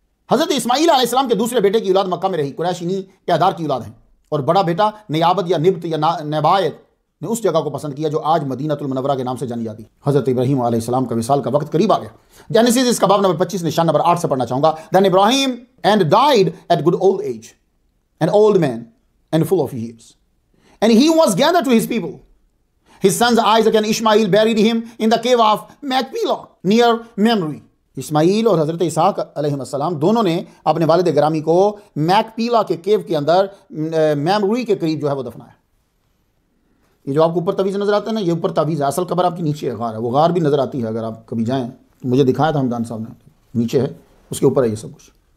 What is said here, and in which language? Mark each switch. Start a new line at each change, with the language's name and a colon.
Urdu: حضرت اسماعیل علیہ السلام کے دوسرے بیٹے کی اولاد مکہ میں رہی, قریشینی کیدار کی اولاد ہیں, اور بڑا بیٹا نیابت یا نبت یا نبایت نے اس جگہ کو پسند کیا جو آج مدینہ المنورہ کے نام سے جانی جاتی. حضرت ابراہیم علیہ السلام کا وصال کا وقت قریب آ گیا. جینیسس اس کا باب نمبر 25 نشان نمبر 8 سے پڑھنا چاہوں گا.
English: Then Abraham and died at good old age, an old man and full of years. And he was gathered to his people. His sons Isaac and Ishmael buried him in the cave of Machpelah near Mamre.
Urdu: اسماعیل اور حضرت اسحاق علیہ السلام دونوں نے اپنے والد گرامی کو Machpelah کے کیو کے اندر Mamre کے قریب جو ہے وہ دفنایا. یہ جو آپ کو اوپر تعویز نظر آتا ہے نا, یہ اوپر تعویز ہے, اصل قبر آپ کی نیچے ہے, غار ہے, وہ غار بھی نظر آتی ہے اگر آپ کبھی جائیں. مجھے دکھایا تھا ہمدان صاحب نے, نیچے ہے, اس کے اوپر ہے یہ سب کچھ.